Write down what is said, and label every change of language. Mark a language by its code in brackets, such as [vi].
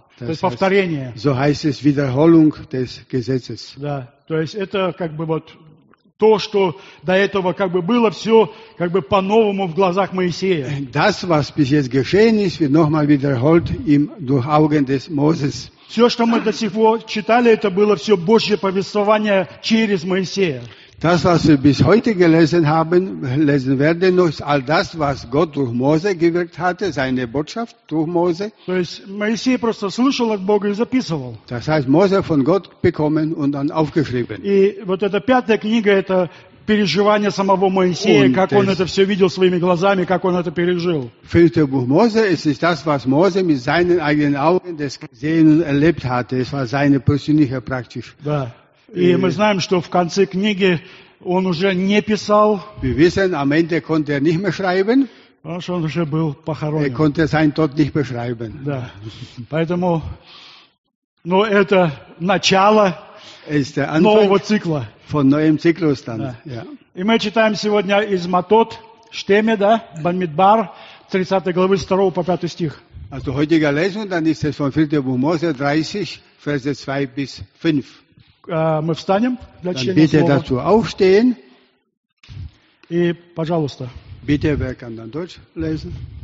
[de] Das heißt, повторение. So heißt es Wiederholung des Gesetzes. [ru] Да, то есть это как бы вот то, что до этого как бы было все как бы по-новому в глазах Моисея. [de] Das, was bis jetzt geschehen ist, wird nochmal wiederholt im durch Augen des Moses. [ru] Все, что мы до сих пор читали, это было все Божье повествование через Моисея. [de] Das, was wir bis heute gelesen haben, lesen werden, ist all das, was Gott durch Mose gewirkt hatte, seine Botschaft durch Mose. Das heißt, Mose von Gott bekommen und dann aufgeschrieben. [ru] Переживания самого Моисея, und как он это все видел своими глазами, как он это пережил. [de] Fünfte Buch Mose, es ist das, was Mose mit seinen eigenen Augen das gesehen und erlebt hatte. Es war seine persönliche Praxis. [ru] Да. И мы знаем, что в конце книги он уже не писал. [de] Wir wissen, am Ende konnte nicht mehr schreiben. [ru] Потому что он уже был похоронен. [de] Er konnte seinen Tod nicht beschreiben. [ru] Да. Поэтому, но это начало нового цикла. [de] Von neuem Zyklus dann. Да. Ja. [ru] И мы читаем сегодня из Матот, Штеме, да, Бамидбар, 30 главы 2 по 5 стих. [de] Also heutige Lesung, dann ist es von 4. Buch Mose 30, Verse 2 bis 5. [ru] Мы встанем для [de] dann [ru] чтения [de] bitte [ru] слова. [de] Dazu aufstehen. [ru] И, пожалуйста. [de] Bitte, wer kann dann Deutsch lesen?